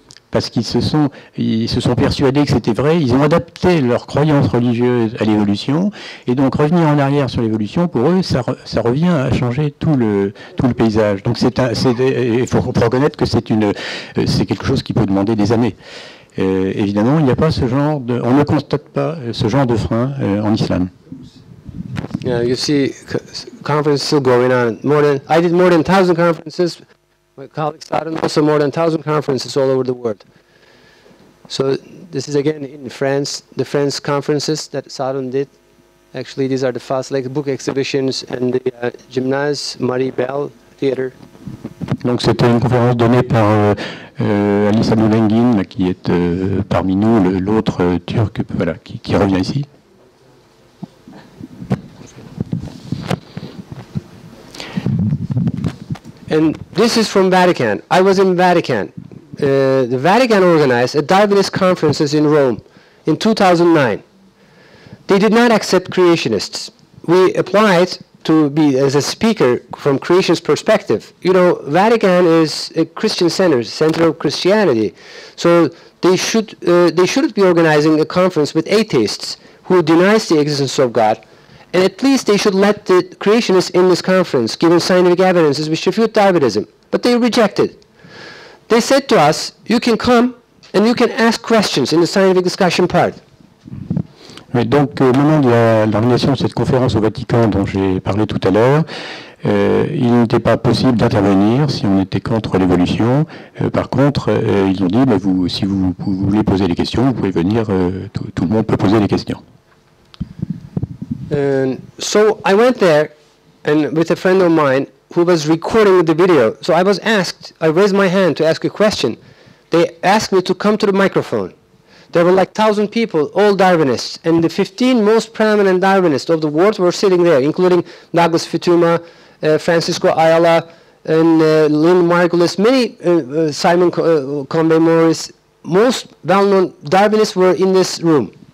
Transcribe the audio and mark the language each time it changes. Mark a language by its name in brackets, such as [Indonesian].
[French] Parce qu'ils se sont persuadés que c'était vrai, ils ont adapté leur croyance religieuse à l'évolution, et donc revenir en arrière sur l'évolution, pour eux, ça revient à changer tout le paysage. Donc il faut reconnaître que c'est quelque chose qui peut demander des années. Évidemment, il n'y a pas ce genre de... On ne constate pas ce genre de frein en islam. [English] Yeah, you see, conference still going on. I did more than 1,000 conferences. My colleagues started also more than 1,000 conferences all over the world. So this is again in France, the France conferences that Sadun did. Actually, these are the Fast Lake book exhibitions and the Gymnase Marie Bell Theater. [French] Donc c'était une conférence donnée par Alice Anoulengin, qui est parmi nous, l'autre Turc, voilà, qui revient ici. [English] And this is from Vatican. I was in Vatican. The Vatican organized a Darwinist conference in Rome in 2009. They did not accept creationists. We applied to be as a speaker from creationist perspective. You know, Vatican is a Christian center of Christianity. So they shouldn't be organizing a conference with atheists who denies the existence of God. And at least they should let the creationists in this conference, given scientific evidences which refute Darwinism. But they rejected. They said to us, you can come and you can ask questions in the scientific discussion part. [French] Mais donc, au moment de l'organisation de cette conférence au Vatican dont j'ai parlé tout à l'heure, il n'était pas possible d'intervenir si on était contre l'évolution. Par contre, ils ont dit, si vous voulez poser des questions, vous pouvez venir, tout le monde peut poser des questions. [English] And so I went there and with a friend of mine who was recording the video. So I was asked, I raised my hand to ask a question. They asked me to come to the microphone. There were like 1,000 people, all Darwinists, and the 15 most prominent Darwinists of the world were sitting there, including Douglas Fituma, Francisco Ayala, and Lynn Margulis, many Simon Conway Morris, most well-known Darwinists were in this room.